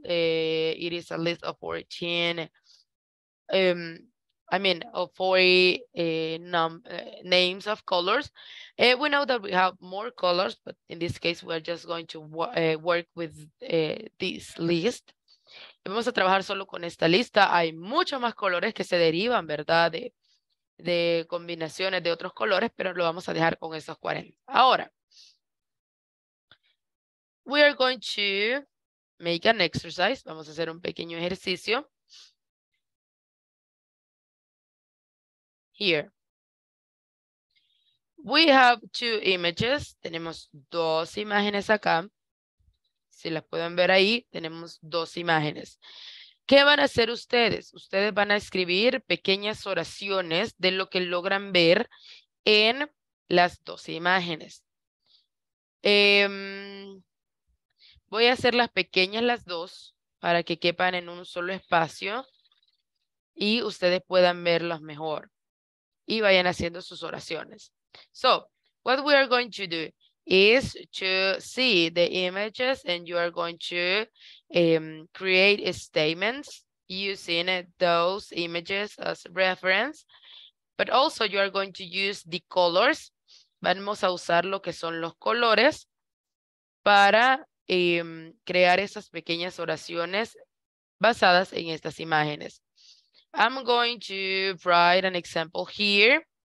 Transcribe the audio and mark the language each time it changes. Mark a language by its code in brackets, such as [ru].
[en] It is a list of 14, of 40 names of colors. We know that we have more colors, but in this case, we're just going to work with this list. [es] Vamos a trabajar solo con esta lista. Hay muchos más colores que se derivan, ¿verdad? De combinaciones de otros colores, pero lo vamos a dejar con esos 40. [en] Ahora, we are going to make an exercise. [es] Vamos a hacer un pequeño ejercicio. [en] Here. We have two images. [es] Tenemos dos imágenes acá. Si las pueden ver ahí, tenemos dos imágenes. ¿Qué van a hacer ustedes? Ustedes van a escribir pequeñas oraciones de lo que logran ver en las dos imágenes. Voy a hacer las pequeñas las dos para que quepan en un solo espacio y ustedes puedan verlas mejor y vayan haciendo sus oraciones. [en] So, what we are going to do is to see the images and you are going to create statements using those images as reference, but also you are going to use the colors [es] vamos a usar lo que son los colores para crear esas pequeñas oraciones basadas en estas imágenes. [en] I'm going to write an example here.